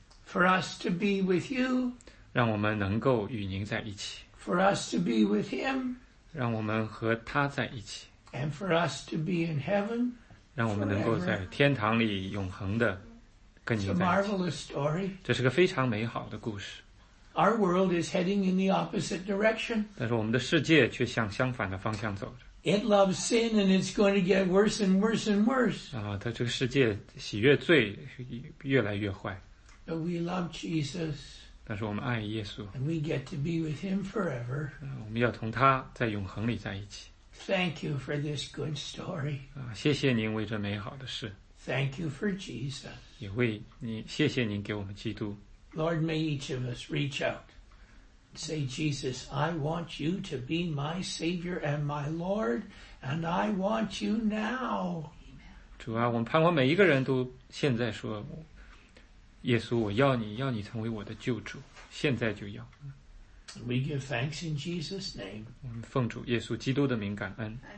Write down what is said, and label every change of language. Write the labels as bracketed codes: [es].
[en] For us to be with you. [zh] 让我们能够与您在一起。 [en] For us to be with him. [zh] 让我们和他在一起。 [en] And for us to be in heaven. [zh] 让我们能够在天堂里永恒的。 [en] It's a marvelous story. [zh] 这是个非常美好的故事。 [en] Our world is heading in the opposite direction. [zh] 但是我们的世界却向相反的方向走着。 [en] It loves sin and it's going to get worse and worse and worse. [zh] 啊，它这个世界喜悦罪越来越坏。 [en] But we love Jesus. [zh] 但是我们爱耶稣。 [en] And we get to be with him forever. [zh] 我们要同他在永恒里在一起。 [en] Thank you for this good story. [zh] 啊，谢谢您为这美好的事。 [en] Thank you for Jesus. [zh] 也为你谢谢您给我们基督。 [en] Lord, may each of us reach out. Say, Jesus, I want you to be my Savior and my Lord, and I want you now. [zh] 主啊，我们盼望每一个人都现在说，耶稣，我要你，要你成为我的救主，现在就要。 [en] We give thanks in Jesus' name. [zh] 我们奉主耶稣基督的名感恩。